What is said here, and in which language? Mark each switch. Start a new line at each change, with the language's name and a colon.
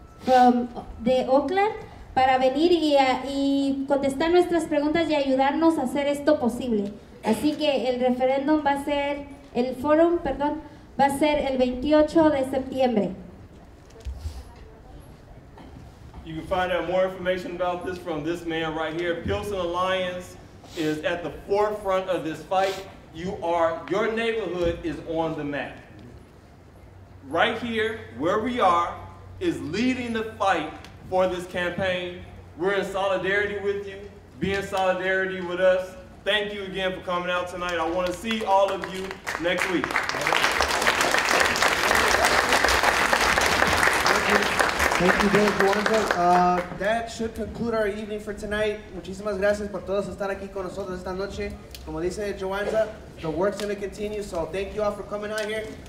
English: from
Spanish: de Oakland para venir y contestar nuestras preguntas y ayudarnos a hacer esto posible. Así que el referéndum va a ser, el forum, perdón, va a ser el 28 de septiembre.
English: You can find out more information about this from this man right here. Pilsen Alliance is at the forefront of this fight. You are, your neighborhood is on the map. Right here, where we are, is leading the fight for this campaign. We're in solidarity with you. Be in solidarity with us. Thank you again for coming out tonight. I want to see all of you next week. Thank you, Dave Wonderful. That should conclude our evening for tonight.
Spanish: Muchísimas gracias por todos estar aquí con nosotros esta noche. Como dice Joanza,
English: the work's going to continue, so thank you all for coming out here.